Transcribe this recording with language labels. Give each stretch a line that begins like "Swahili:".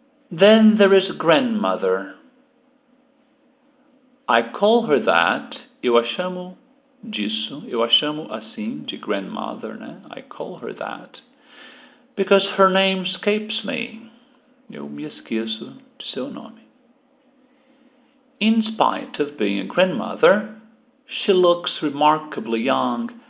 English: Then there is grandmother. I call her that.
Portuguese: Eu a chamo disso. Eu a chamo assim, de grandmother, né?
English: I call her that. Because her name escapes me.
Portuguese: Eu me esqueço de seu nome.
English: In spite of being a grandmother, she looks remarkably young,